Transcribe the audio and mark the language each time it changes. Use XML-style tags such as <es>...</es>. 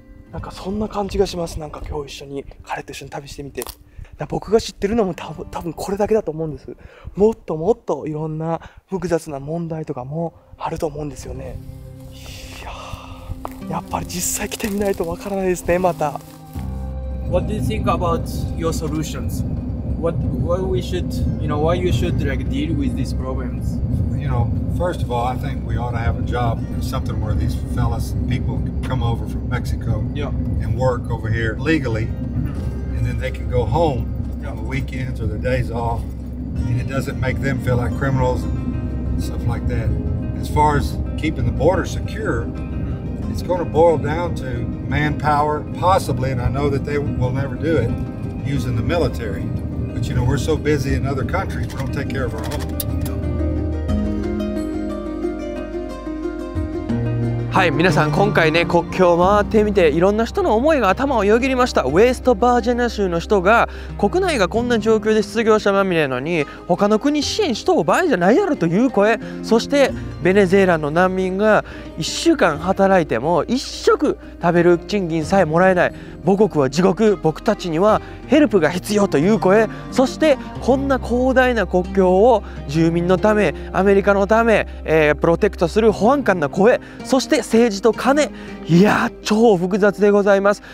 <ja>なんかそんな感じがします。なんか今日一緒に彼と一緒に旅してみて、僕が知ってるのも多分これだけだと思うんです。もっともっといろんな複雑な問題とかもあると思うんですよね。いや、やっぱり実際来てみないとわからないですね。また</ja> <en>What do you think about your solutionsWhat we should, you know, why you should like deal with these problems? You know, first of all, I think we ought to have a job, something where these fellas, people can come over from Mexico、 yeah. and work over here legally,、mm-hmm. and then they can go home、yeah. on the weekends or their days off, and it doesn't make them feel like criminals and stuff like that. As far as keeping the border secure,、mm-hmm. it's going to boil down to manpower, possibly, and I know that they will never do it, using the military. But you know, we're so busy in other countries, we don't take care of our own.</en> <ja>はい、皆さん今回ね国境を回ってみて、いろんな人の思いが頭をよぎりました。ウェストバージニア州の人が、国内がこんな状況で失業者まみれなのに他の国支援しとう場合じゃないやろという声、そしてベネズエラの難民が1週間働いても1食食べる賃金さえもらえない、母国は地獄、僕たちにはヘルプが必要という声、そしてこんな広大な国境を住民のため、アメリカのため、プロテクトする保安官の声、そして政治と金、いや超複雑でございます。</ja>